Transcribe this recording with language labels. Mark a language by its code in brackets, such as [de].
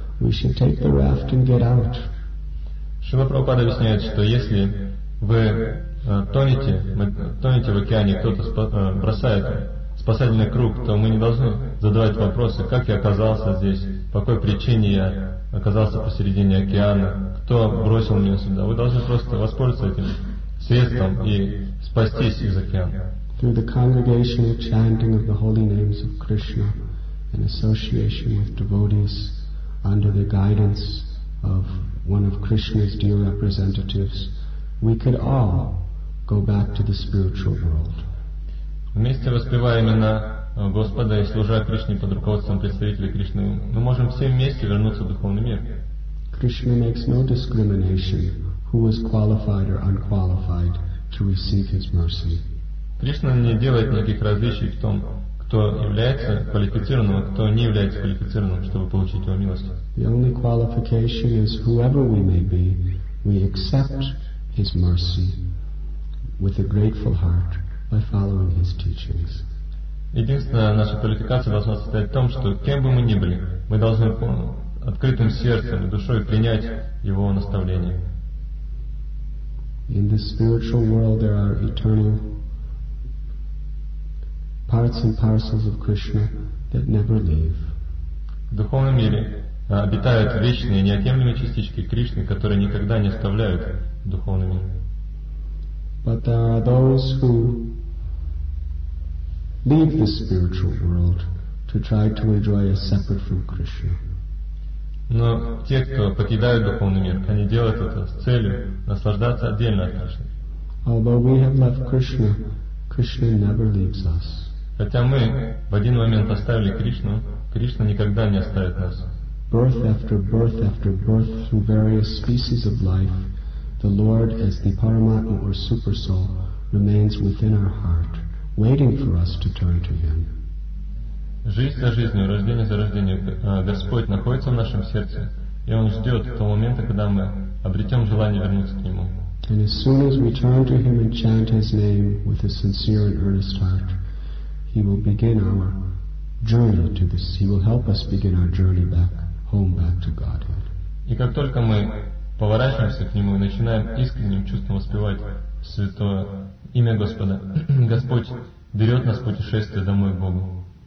[en] We should take the raft and get out. [ru] Шрила Прабхупада объясняет, что если вы тонете в океане, кто-то бросает спасательный круг, то мы не должны задавать вопросы, как я оказался здесь, по какой причине я оказался посередине океана, кто кто бросил меня сюда. Вы должны просто воспользоваться этим средством и спастись из океана. [en] Through the congregational chanting of the holy names of Krishna and association with devotees under the guidance of one of Krishna's dear representatives, we could all go back to the spiritual world. [ru] Вместе воспевая имена Господа и служа Кришне под руководством представителей Кришны, мы можем все вместе вернуться в духовный мир. [en] Krishna makes no discrimination who is qualified or unqualified to receive his mercy. [ru] Кришна не делает никаких различий в том, кто является квалифицированным, а кто не является квалифицированным, чтобы получить его милость. [en] The only qualification is whoever we may be, we accept his mercy with a grateful heart by following his teachings. [ru] Единственная наша квалификация должна состоять в том, что кем бы мы ни были, мы должны открытым сердцем и душой принять его наставление. [en] In the spiritual world there are eternal parts and parcels of Krishna that never leave. [ru] В духовном мире обитают вечные, неотъемлемые частички Кришны, которые никогда не оставляют духовный мир. [en] But there are those who leave the spiritual world to try to enjoy a separate from Krishna. [ru] Но те, кто покидают духовный мир, они делают это с целью наслаждаться отдельно от Кришны. [en] Although we have left Krishna, Krishna never leaves us. [ru] Хотя мы в один момент оставили Кришну, Кришна никогда не оставит нас. [en] Birth after birth after birth through various species of life, the Lord as the Paramatma or Super Soul remains within our heart, waiting for us to turn to Him. [ru] Жизнь за жизнью, рождение за рождением, Господь находится в нашем сердце, и Он ждет того момента, когда мы обретем желание вернуться к Нему. [en] And as soon as we turn to Him and chant His name with a sincere and earnest heart, He will begin our journey to this. He will help us begin our journey back home, back to Godhead. [ru] И как только мы поворачиваемся к Нему и начинаем искренним чувством воспевать святое имя Господа, Господь берет нас в путешествие домой к Богу.